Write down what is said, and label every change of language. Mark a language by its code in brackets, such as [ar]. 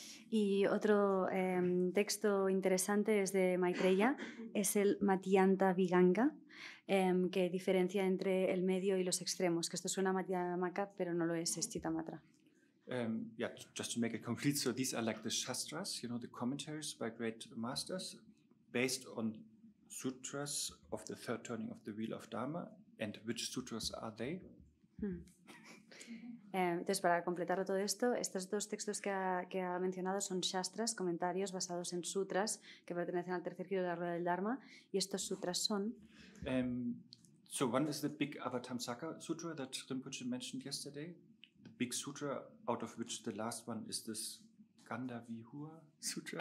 [es] Y otro texto interesante es de Maitreya, es el Matyanta Viganga, que diferencia entre el medio y los extremos, que esto suena a Matyamaka, pero no lo es Chitamatra. [en] Just to make it complete, so these are like the shastras, you know, the commentaries by great masters, based on sutras of the third turning of the Wheel of Dharma, and which sutras are they? [es] Entonces, para completar todo esto, estos dos textos que ha mencionado son shastras, comentarios basados en sutras que pertenecen al tercer giro de la rueda del Dharma, y estos sutras son... [en] So one is the big Avatamsaka sutra that Rinpoche mentioned yesterday, the big sutra out of which the last one is this Gandavihua sutra.